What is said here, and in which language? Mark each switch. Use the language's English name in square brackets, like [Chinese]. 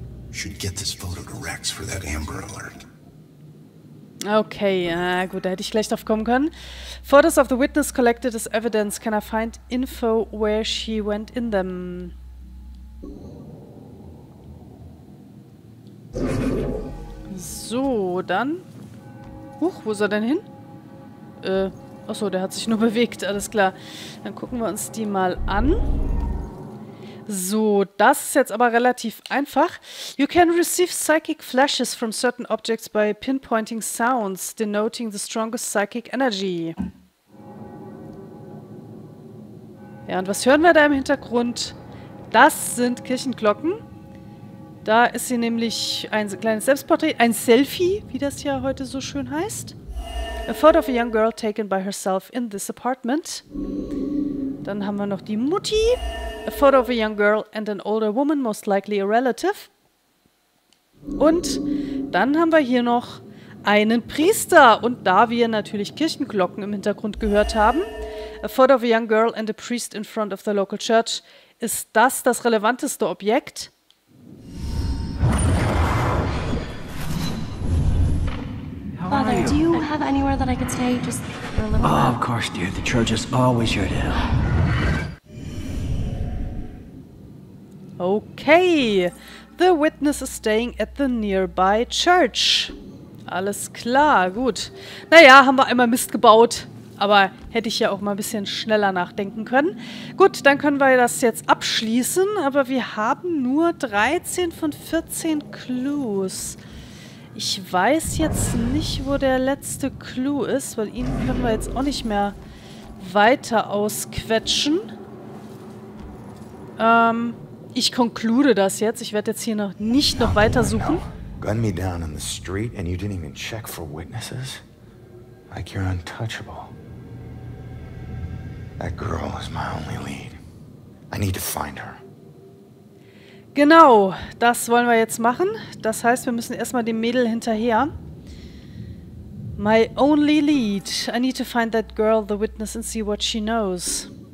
[English] Should get this photo to Rex for that Amber alert. [German] Okay, gut, da hätte ich gleich drauf kommen können. [English] Photos of the witness collected as evidence. Can I find info where she went in them? [German] So, dann. Huch, wo ist er denn hin? Achso, der hat sich nur bewegt, alles klar. Dann gucken wir uns die mal an. So, das ist jetzt aber relativ einfach. [English] You can receive psychic flashes from certain objects by pinpointing sounds, denoting the strongest psychic energy. [German] Ja, und was hören wir da im Hintergrund? Das sind Kirchenglocken. Da ist hier nämlich ein kleines Selbstporträt, ein Selfie, wie das ja heute so schön heißt. [English] A photo of a young girl taken by herself in this apartment. [German] Dann haben wir noch die Mutti. [English] A photo of a young girl and an older woman, most likely a relative. [German] Und dann haben wir hier noch einen Priester. Und da wir natürlich Kirchenglocken im Hintergrund gehört haben, [English] A photo of a young girl and a priest in front of the local church. [German] Ist das relevanteste Objekt? [English] Father, do you have anywhere that I could stay just for a little while? Oh, of course, dear. The church is always here to help. Okay. The witness is staying at the nearby church. [German] Alles klar, gut. Naja, haben wir einmal Mist gebaut. Aber hätte ich ja auch mal ein bisschen schneller nachdenken können. Gut, dann können wir das jetzt abschließen. Aber wir haben nur 13 von 14 Clues. Ich weiß jetzt nicht, wo der letzte Clue ist, weil ihn können wir jetzt auch nicht mehr weiter ausquetschen. Ich konklude das jetzt. Ich werde jetzt hier noch nicht noch weiter suchen. [English] Gun me down in the street and you didn't even check for witnesses? Like you're untouchable. That girl is my only lead. I need to find her. [German] Genau, das wollen wir jetzt machen. Das heißt, wir müssen erstmal dem Mädel hinterher. [English] My only lead. I need to find that girl, the witness, and see what she knows.